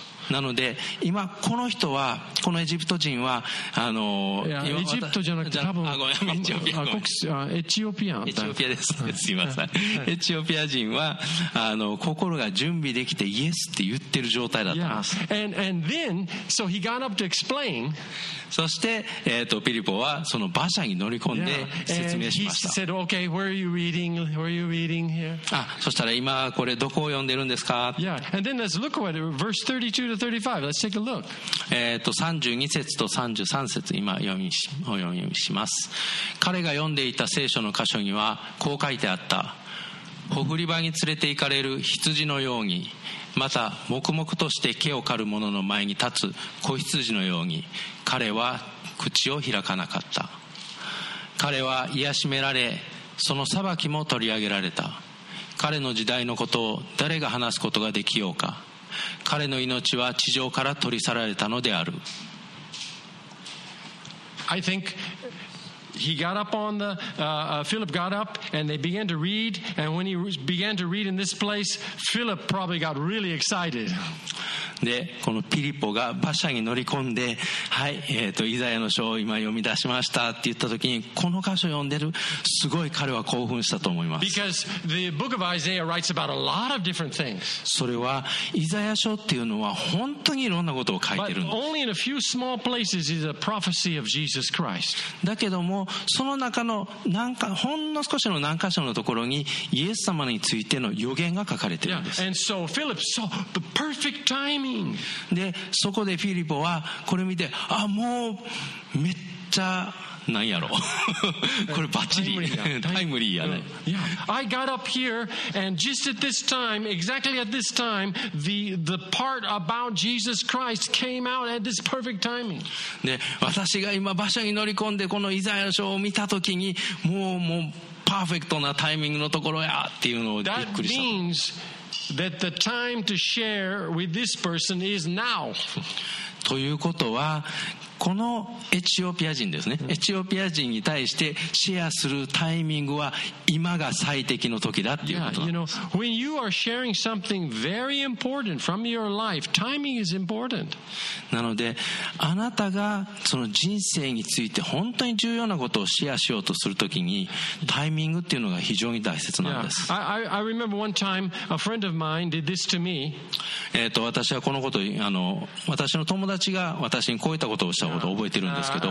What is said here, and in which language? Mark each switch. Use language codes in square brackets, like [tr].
[ja] なので今この人はこのエジプト人はエジプトじゃなくて多分エチオピアエチオピアですすいません、はい、エチオピア人は心が準備できてイエスって言ってる状態だったんです、 [en] yeah. and then, so、he got up to explain. [ja] そしてピリポはその馬車に乗り込んで説明しました [en] 、yeah. and he said, okay, where are you reading? Where are you reading here? [ja] あ、そしたら今これどこを読んでるんですか、 [en] yeah. and then let's look at verse 32to 35. Let's take a look. [ja] 32節と33節今読みします。彼が読んでいた聖書の箇所にはこう書いてあった。ほふり場に連れて行かれる羊のように、また黙々として毛を刈る者の前に立つ子羊のように、彼は口を開かなかった。彼は癒しめられ、その裁きも取り上げられた。彼の時代のことを誰が話すことができようか。彼の命は地上から取り去られたのである。 [en] I think he got up on the, Philip got up and they began to read, and when he began to read in this place, Philip probably got really excited. [ja] で、このピリポが馬車に乗り込んで、はい、イザヤの書を今読み出しましたって言った時に、この箇所を読んでる、すごい彼は興奮したと思います。 [en] Because the book of Isaiah writes about a lot of different things. [ja] それは、イザヤ書っていうのは本当にいろんなことを書いてるんです。 [en] But only in a few small places is a prophecy of Jesus Christ. [ja] だけども、その中の何かほんの少しの何箇所のところにイエス様についての予言が書かれているんです。 [en] Yeah. And so Philip saw the perfect timing. [ja] で、そこでフィリポはこれ見て、あ、もうめっちゃ何やろこれバッチリタイムリーやね。 [en] Yeah. I got up here and just at this time, exactly at this time, the part about Jesus Christ came out at this perfect timing. [ja] で、私が今場所に乗り込んでこのイザヤ書を見たときに、もうパーフェクトなタイミングのところやっていうのをびっくりした。 [en] That means that the time to share with this person is now. [ja] ということは。このエチオピア人ですね、エチオピア人に対してシェアするタイミングは今が最適の時だっていうことなんです。 [en] You know, when you are sharing something very important from your life, timing is important. [ja] なのであなたがその人生について本当に重要なことをシェアしようとするときにタイミングっていうのが非常に大切なんです。 [en] Yeah. I remember one time a friend of mine did this to me. [ja] 私はこのことあの私の友達が私にこういったことをしたことを覚えてるんですけど、